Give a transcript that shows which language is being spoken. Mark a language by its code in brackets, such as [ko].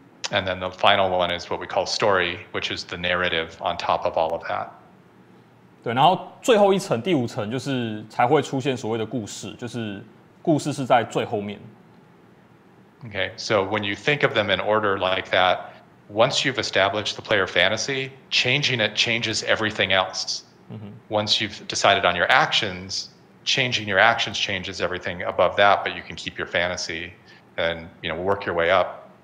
[en] And then the final one is what we call story, which is the narrative on top of all of that. [zh] 对，然后最后一层第五层就是才会出现所谓的故事，就是。故事是在最后面。 [en] Okay, so when you think of them in order like that, once you've established the player fantasy, changing it changes everything else. Once you've decided on your actions, changing your actions changes everything above that, but you can keep your fantasy and, you know, work your way up.